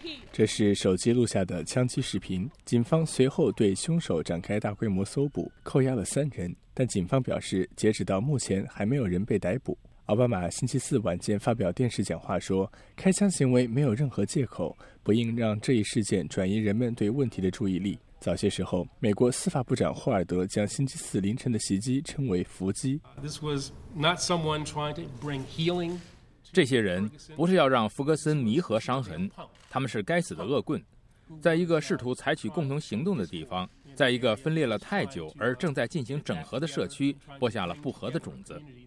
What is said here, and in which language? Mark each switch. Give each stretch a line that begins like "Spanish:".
Chinese: 这是手机录下的枪击视频，警方随后对凶手展开大规模搜捕，扣押了3人，但警方表示截止到目前还没有人被逮捕。奥巴马星期四晚间发表电视讲话说，开枪行为没有任何借口，不应让这一事件转移人们对问题的注意力。早些时候，美国司法部长霍尔德将星期四凌晨的袭击称为伏击。
English: This was not someone trying to bring healing.
Chinese: 这些人不是要让福格森弥合伤痕，他们是该死的恶棍，在一个试图采取共同行动的地方，在一个分裂了太久而正在进行整合的社区播下了不和的种子。